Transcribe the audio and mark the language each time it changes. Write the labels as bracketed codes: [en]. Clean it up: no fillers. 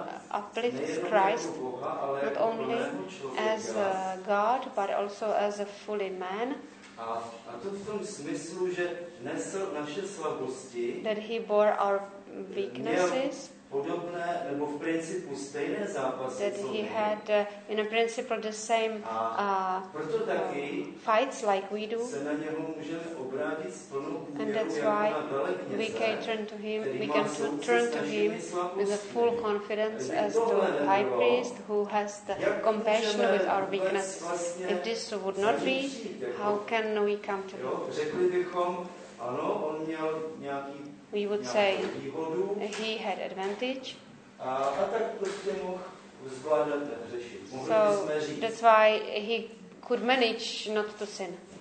[en] uplifts Christ not only as a God, but also as a fully man. [cs] A to v tom smyslu, že nesl naše slabosti, [en] that he bore our weaknesses, [cs] podobné, nebo v principu stejné zápasy, [en] that he had in a principle the same [cs] proto taky [en] fights like we do, [cs] se na něho můžeme obrátit s plnou důvěrou, [en] and that's why we can turn to him, we can turn to him with a full confidence as the high priest who has the compassion with our weakness. If this would not be, how can we come to him? [cs] Řekli bychom, ano, on měl nějaký, [en] we would say he had advantage. So that's why he could manage not to sin.